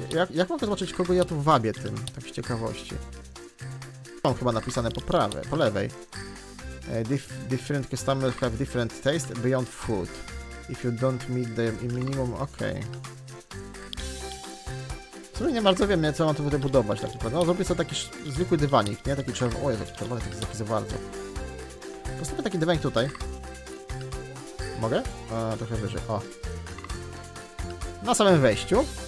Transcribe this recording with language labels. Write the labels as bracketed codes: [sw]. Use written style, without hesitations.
[pl] Jak mogę zobaczyć, kogo ja tu wabię tym? Tak z ciekawości. Mam chyba napisane po prawej, po lewej. [en] Different customers have different taste beyond food. If you don't meet them in minimum, okej. Okay. [pl] No nie bardzo wiem, co mam tu tutaj budować tak naprawdę. No zrobię sobie taki zwykły dywanik, nie? Taki czerwony. O Jezu, czerwony taki zapisy bardzo. Postawię taki dywanik tutaj. Mogę? Trochę wyżej, o. Na samym wejściu.